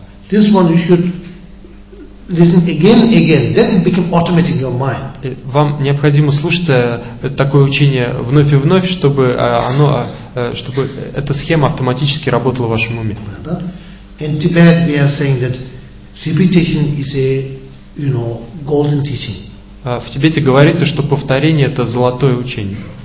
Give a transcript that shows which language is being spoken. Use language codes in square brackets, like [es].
[en] This one you should listen again and again. Then it became automatic in your mind. [ru] Вам необходимо слушать такое учение вновь и вновь, чтобы оно, чтобы эта схема автоматически работала в вашем уме. [en] In Tibet we are saying that repetition is a, you know, golden teaching. [ru] В Тибете говорится, что повторение это золотое учение.